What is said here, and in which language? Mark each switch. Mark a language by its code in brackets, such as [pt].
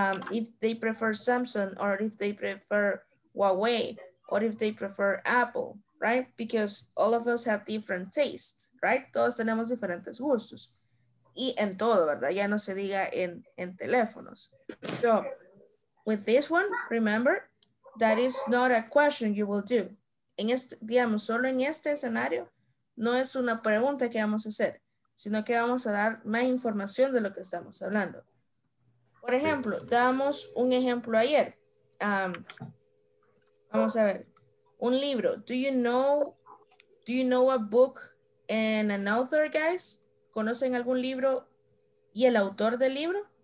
[en] If they prefer Samsung or if they prefer Huawei or if they prefer Apple, right? Because all of us have different tastes, right? [es] Todos tenemos diferentes gustos. Y en todo, ¿verdad? Ya no se diga en teléfonos. [en] So, with this one, remember, that is not a question you will do. [es] En este, digamos, solo en este escenario, no es una pregunta que vamos a hacer, sino que vamos a dar más información de lo que estamos hablando. Por ejemplo, damos un ejemplo ayer. Vamos a ver. Un libro. [en] Do you know a book and an author, guys? [es] ¿Conocen algún libro y el autor del libro?